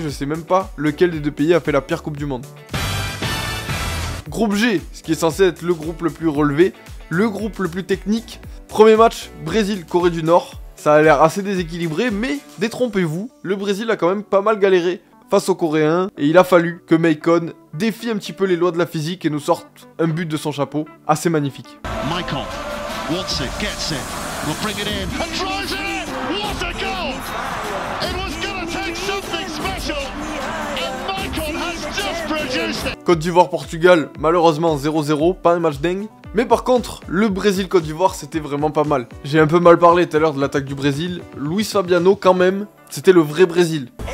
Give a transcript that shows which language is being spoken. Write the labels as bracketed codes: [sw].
[fr] Je sais même pas lequel des deux pays a fait la pire coupe du monde. Groupe G, ce qui est censé être le groupe le plus relevé, le groupe le plus technique. Premier match, Brésil-Corée du Nord. Ça a l'air assez déséquilibré, mais détrompez-vous, le Brésil a quand même pas mal galéré face aux Coréens, et il a fallu que Maicon défie un petit peu les lois de la physique et nous sorte un but de son chapeau assez magnifique. [en] Maicon, wants it, gets it, will bring it in, and drives it in, what a goal! It was gonna take something special, and Maicon has just produced it! [fr] Côte d'Ivoire-Portugal, malheureusement 0-0, pas un match dingue. Mais par contre, le Brésil-Côte d'Ivoire, c'était vraiment pas mal. J'ai un peu mal parlé tout à l'heure de l'attaque du Brésil. Luis Fabiano, quand même, c'était le vrai Brésil.